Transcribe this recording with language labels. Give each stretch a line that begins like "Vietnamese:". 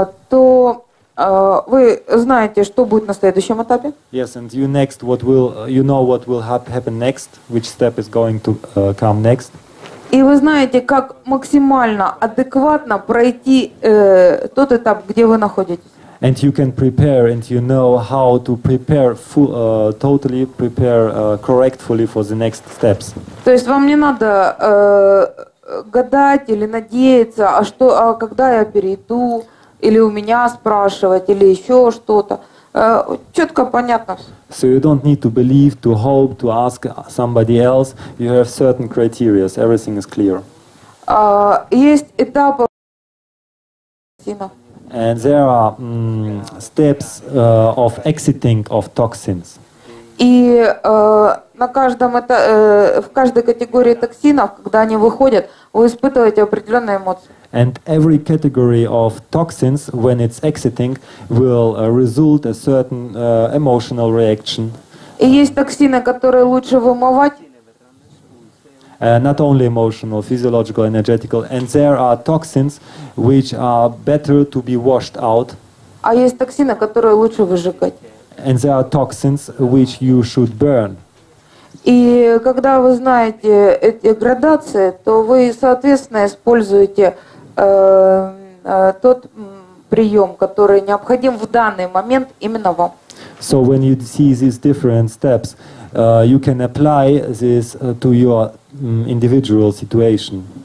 Russian: То вы знаете, что будет на следующем этапе?
English: Yes, and you next what will you know what will happen next, which step is going to come next?
Russian: И вы знаете, как максимально адекватно пройти тот этап, где вы находитесь?
English: And you can prepare, and you know how to prepare totally prepare correctly for the next steps.
Russian: То есть вам не надо гадать или надеяться, а что, а когда я перейду, или у меня спрашивать, или еще что-то. Четко понятно.
English: So you don't need to believe, to hope, to ask somebody else. You have certain criteria. Everything is clear.
Russian: Есть этапы.
English: And there are steps of exiting of toxins.
Russian: И на каждом это в каждой категории токсинов, когда они выходят, вы испытываете определенные эмоции.
English: And every category of toxins, when it's exiting, will result a certain emotional reaction.
Russian: И есть токсины, которые лучше вымывать.
English: Not only emotional, physiological, energetical, and there are toxins which are better to be washed out.
Russian: А есть токсины, которые лучше выжигать.
English: And there are toxins which you should burn.
Russian: И когда вы знаете эти градации, то вы, соответственно, используете тот прием, который необходим в данный момент именно вам.
English: So when you see these different steps, you can apply this to your individual situation.